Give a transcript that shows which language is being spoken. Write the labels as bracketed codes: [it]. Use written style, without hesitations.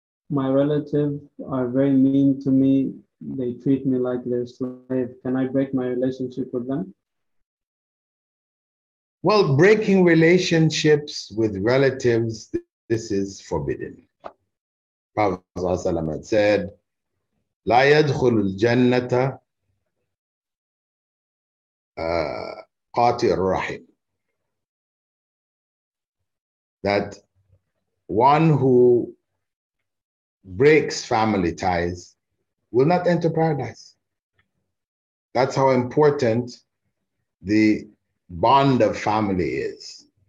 [en] My relatives are very mean to me. They treat me like their slave. Can I break my relationship with them? Well, breaking relationships with relatives, this is forbidden. Prophet said, [ar] لا يدخل الجنة قاطع الرحم. [en] That one who breaks family ties will not enter paradise. That's how important the bond of family is.